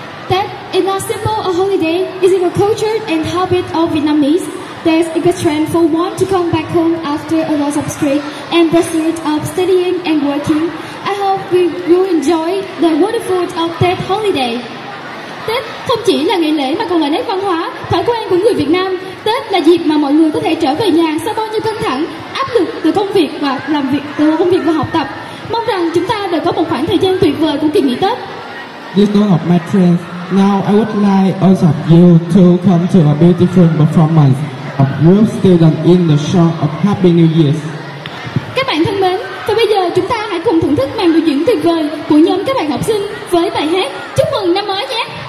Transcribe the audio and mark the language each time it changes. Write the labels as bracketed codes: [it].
[en] That is not simple a holiday, is it a culture and habit of Vietnamese? There's a good trend for one to come back home after a lot of stress and pursuit of studying and working. I hope we will enjoy the wonderful of Tết holiday. [vi] Tết không chỉ là ngày lễ mà còn là nét văn hóa, thói quen của người Việt Nam. Tết là dịp mà mọi người có thể trở về nhà sau bao nhiêu căng thẳng, áp lực từ công việc và làm việc, từ công việc và học tập. Mong rằng chúng ta đều có một khoảng thời gian tuyệt vời của kỳ nghỉ Tết. [en] This one of my friends. Now I would like all of you to come to a beautiful performance of group student in the song of Happy New Year. [vi] Các bạn thân mến, và bây giờ chúng ta hãy cùng thưởng thức màn biểu diễn tuyệt vời của nhóm các bạn học sinh với bài hát Chúc mừng năm mới nhé.